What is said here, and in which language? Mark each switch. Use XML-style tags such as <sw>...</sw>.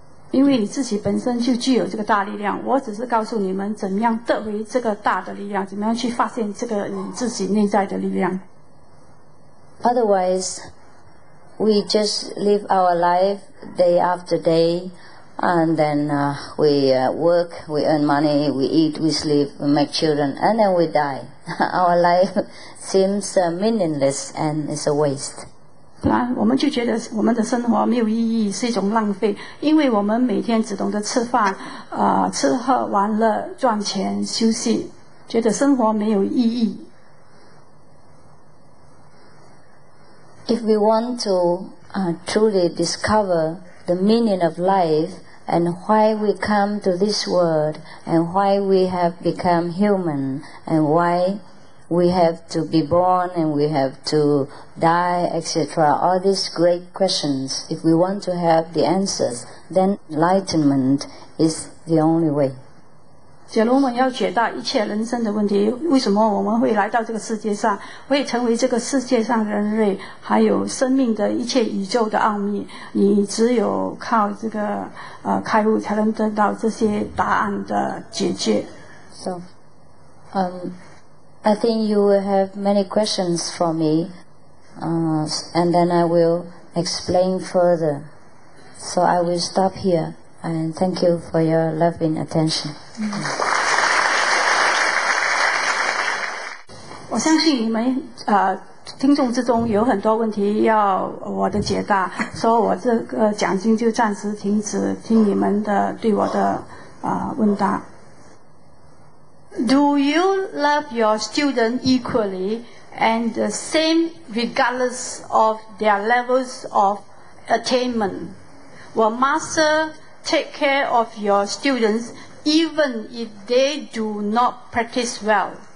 <zh>因为你自己本身就具有这个大力量，我只是告诉你们怎样得回这个大的力量，怎么样去发现这个你自己内在的力量。</zh> <en>Otherwise, we just live our life day after day, and then we work, we earn money, we eat, we sleep, we make children, and then we die. Our life seems meaningless and is a waste.</en> <zh>我们就觉得我们的生活没有意义，是一种浪费，因为我们每天只懂得吃饭吃喝玩乐赚钱休息，觉得生活没有意义。</zh> <en>If we want to truly discover the meaning of life and why we come to this world and why we have become human and whyWe have to be born and we have to die, etc. All these great questions, if we want to have the answers, then enlightenment is the only way.</en> <zh>假如我们要解答一切人生的问题，为什么我们会来到这个世界上，会成为这个世界上人类，还有生命的一切宇宙的奥秘，你只有靠这个开悟才能得到这些答案的解决。</zh> <en>So, I think you will have many questions for me, and then I will explain further. So I will stop here, and thank you for your loving attention.</en> <zh>我相信你们听众之中有很多问题要我的解答，所以我这个讲经就暂时停止听你们的对我的问答。</zh> <en>Do you love your student equally and the same regardless of their levels of attainment? Will master take care of your students even if they do not practice well?</en>